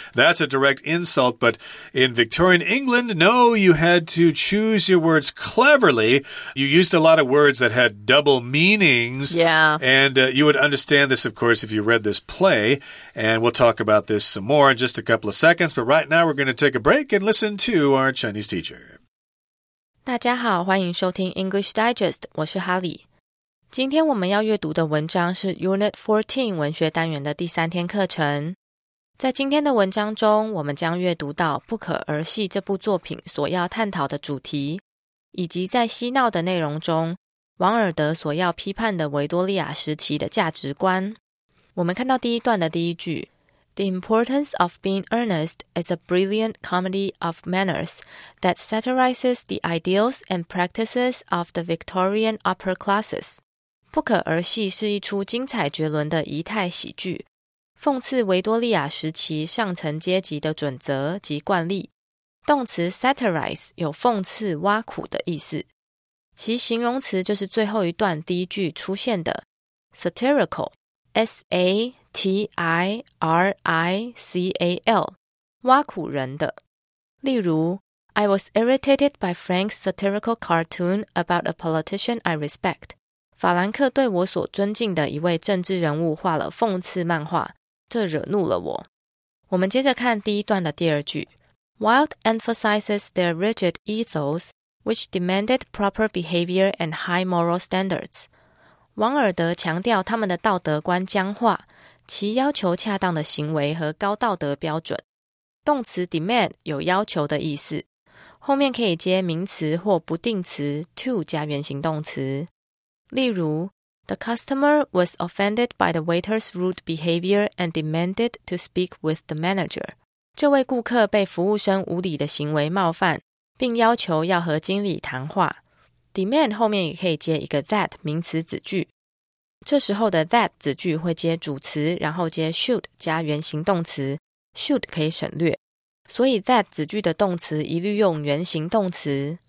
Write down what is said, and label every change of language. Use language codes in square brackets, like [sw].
[en] That's a direct insult. But in Victorian England, no, you had to choose your words cleverly. You used a lot of words that had double meanings. Yeah. And you would understand this, of course, if you read this play. And we'll talk about this some more in just a couple of seconds. But right now, we're going to take a break and listen to our Chinese teacher. [zh] 大家好，欢迎收听 English Digest， 我是哈利。今天我们要阅读的文章是 Unit 14文学单元的第三天课程。在今天的文章中，我们将阅读到《不可儿戏》这部作品所要探讨的主题，以及在嬉闹的内容中，王尔德所要批判的维多利亚时期的价值观。我们看到第一段的第一句 [en] The importance of being earnest is a brilliant comedy of manners that satirizes the ideals and practices of the Victorian upper classes. [zh] 不可儿戏是一出精彩绝伦的仪态喜剧，讽刺维多利亚时期上层阶级的准则及惯例。动词 satirize 有讽刺、挖苦的意思。其形容词就是最后一段第一句出现的 satirical, S-A-T-I-R-I-C-A-L, 挖苦人的。例如 [en] I was irritated by Frank's satirical cartoon about a politician I respect. [zh] 法兰克对我所尊敬的一位政治人物画了讽刺漫画，这惹怒了我。我们接着看第一段的第二句。 [en] Wilde emphasizes their rigid ethos, which demanded proper behavior and high moral standards. [zh] 王尔德强调他们的道德观僵化，其要求恰当的行为和高道德标准。动词 demand 有要求的意思，后面可以接名词或不定词 to 加原形动词。例如 [en] The customer was offended by the waiter's rude behavior and demanded to speak with the manager. [zh] 这位顾客被服务生无礼的行为冒犯，并要求要和经理谈话。 Demand 后面也可以接一个 that 名词子句，这时候的 that 子句会接主词，然后接 should 加原形动词，should 可以省略，所以 that 子句的动词一律用原形动词。